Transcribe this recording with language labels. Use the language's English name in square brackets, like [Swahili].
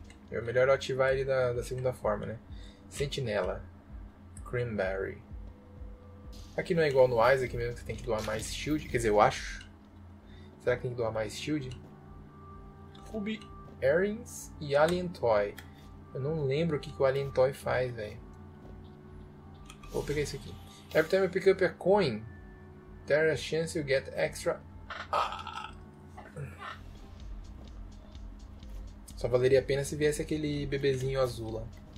[Portuguese] É melhor eu ativar ele da segunda forma, né? Sentinela. Cranberry. Aqui não é igual no Isaac, mesmo que você tem que doar mais shield. Quer dizer, eu acho. Será que tem que doar mais shield? Ruby Earrings e Alien Toy. Eu não lembro o que que o Alien Toy faz, velho. Vou pegar isso aqui. [English] Every time you pick up a coin, there's a chance you get extra. [Portuguese] Só valeria a pena se viesse aquele bebezinho azul lá.